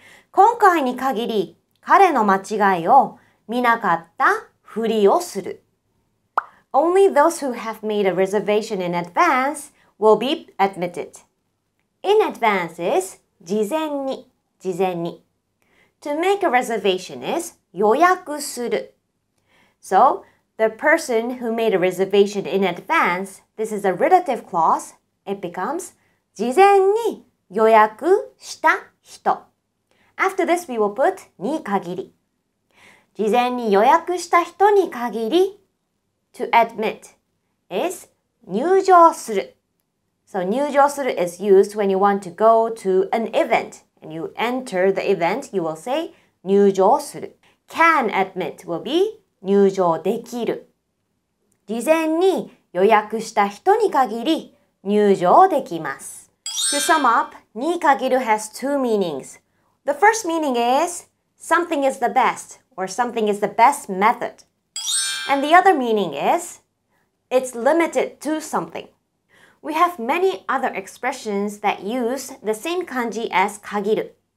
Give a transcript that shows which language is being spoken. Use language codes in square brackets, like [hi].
[ja] 今回に限り彼の間違いを見なかったふりをする。 [en] Only those who have made a reservation in advance will be admitted. In advance is [ja] 事前に、事前に。 [en] To make a reservation is [ja] 予約する。 [en] So, the person who made a reservation in advance, this is a relative clause, it becomes [ja] 事前に予約した人。 [en] After this, we will put [ja] に限り。事前に予約した人に限り、 [en] to admit is [ja] 入場する。 [en] So, [ja] 入場する [en] is used when you want to go to an event. And you enter the event, you will say [ja] 入場する。 [en] Can admit will be [ja] 入場できる。事前に予約した人に限り入場できます。 [en] To sum up, に限る has two meanings. The first meaning is something is the best or something is the best method. And the other meaning is it's limited to something. We have many other expressions that use the same kanji as kagiru.